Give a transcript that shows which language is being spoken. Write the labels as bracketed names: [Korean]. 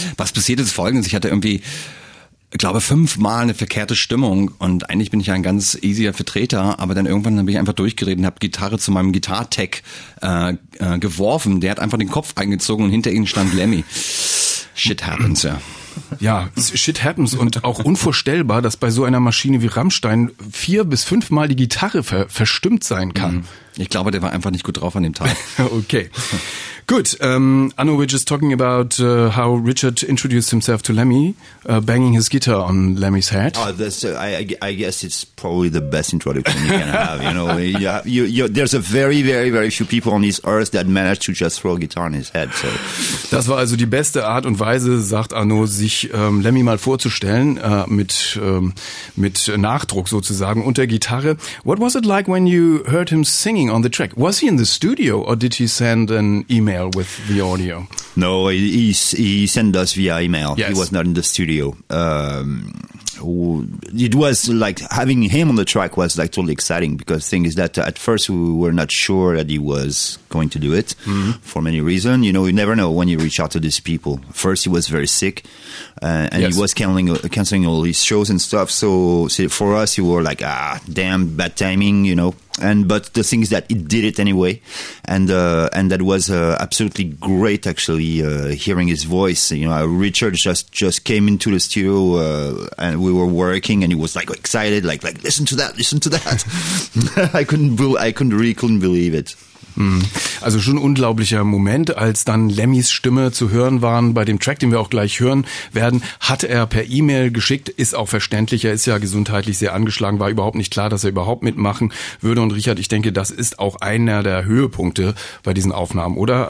[German] Was passiert ist Folgendes, ich hatte irgendwie, ich glaube, 5-mal eine verkehrte Stimmung und eigentlich bin ich ja ein ganz easier Vertreter, aber dann irgendwann habe ich einfach durchgeredet und habe Gitarre zu meinem Gitar-Tech geworfen. Der hat einfach den Kopf eingezogen und hinter ihm stand Lemmy. Shit happens, ja. Ja, shit happens und auch unvorstellbar, dass bei so einer Maschine wie Rammstein 4 bis 5 Mal die Gitarre verstimmt sein kann. Ich glaube, der war einfach nicht gut drauf an dem Tag. Okay, gut. [English] Anno, we're just talking about how Richard introduced himself to Lemmy, banging his guitar on Lemmy's head. Oh, that's, I guess it's probably the best introduction you can have. You know, you, there's a very, very, very few people on this earth that managed to just throw a guitar on his head. So. [German] Das war also die beste Art und Weise, sagt Anno, sich Lemmy mal vorzustellen, mit Nachdruck sozusagen, unter Gitarre. [English] What was it like when you heard him singing on the track? Was he in the studio or did he send an email with the audio? No, he sent us via email. Yes. He was not in the studio. It was like having him on the track was like totally exciting because the thing is that at first we were not sure that he was going to do it for many reasons. You know, you never know when you reach out to these people. First, he was very sick and he was canceling all his shows and stuff. So see, for us, you were like, ah, damn, bad timing, you know. But the thing is that it did it anyway, and that was absolutely great. Actually, hearing his voice, you know, Richard just came into the studio, and we were working, and he was like excited, like listen to that. I couldn't believe it. [German] Also schon ein unglaublicher Moment, als dann Lemmys Stimme zu hören waren bei dem Track, den wir auch gleich hören werden, hat er per E-Mail geschickt, ist auch verständlich, er ist ja gesundheitlich sehr angeschlagen, war überhaupt nicht klar, dass er überhaupt mitmachen würde und Richard, ich denke, das ist auch einer der Höhepunkte bei diesen Aufnahmen, oder?